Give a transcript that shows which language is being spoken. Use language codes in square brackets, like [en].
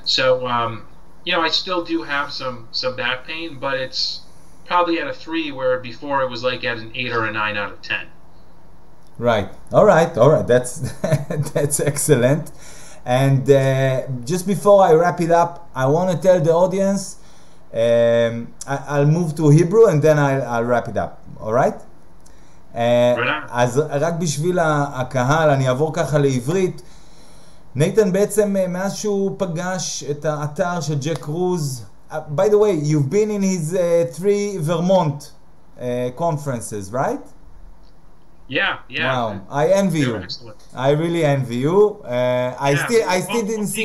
[en] So, you know, I still do have some back pain, but it's probably at a 3, where before it was like at an 8 or a 9 out of 10. Right. All right. That's excellent. And just before I wrap it up, I want to tell the audience, I'll move to Hebrew and then I'll wrap it up. All right? [he] אז רק בשביל הקהל אני אעבור ככה לעברית. נייתן, בעצם מאז שהוא פגש את האתר של ג'ק קרוז, [en] by the way, you've been in his 3 Vermont conferences, right? Yeah. Wow. I envy you. I really envy you. I still didn't see.